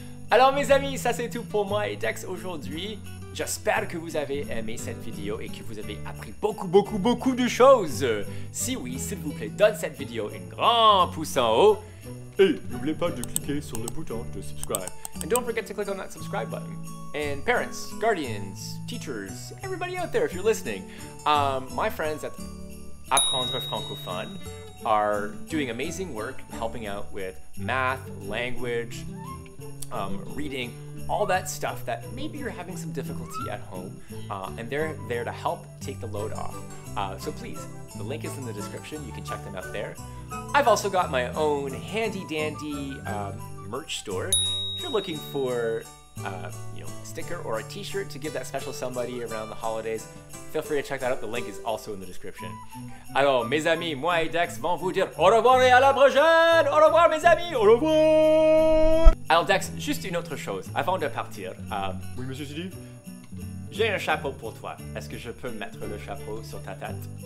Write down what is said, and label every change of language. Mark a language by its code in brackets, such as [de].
[fr] Alors mes amis, ça c'est tout pour moi et Dax aujourd'hui. J'espère que vous avez aimé cette vidéo et que vous avez appris beaucoup, beaucoup, beaucoup de choses. Si oui, s'il vous plaît, donne cette vidéo un grand pouce en haut. Et n'oubliez pas de cliquer sur le bouton de subscribe. [en] And don't forget to click on that subscribe button. And parents, guardians, teachers, everybody out there if you're listening. My friends at Apprendre Francophone are doing amazing work helping out with math, language, reading, all that stuff that maybe you're having some difficulty at home, and they're there to help take the load off. So please, the link is in the description, you can check them out there. I've also got my own handy dandy merch store. If you're looking for sticker or a t-shirt to give that special somebody around the holidays, feel free to check that out. The link is also in the description. [fr] Alors, mes amis, moi et Dex vont vous dire au revoir et à la prochaine! Au revoir, mes amis! Au revoir! Alors, Dex, juste une autre chose. Avant de partir, Oui, monsieur Sidi? J'ai un chapeau pour toi. Est-ce que je peux mettre le chapeau sur ta tête?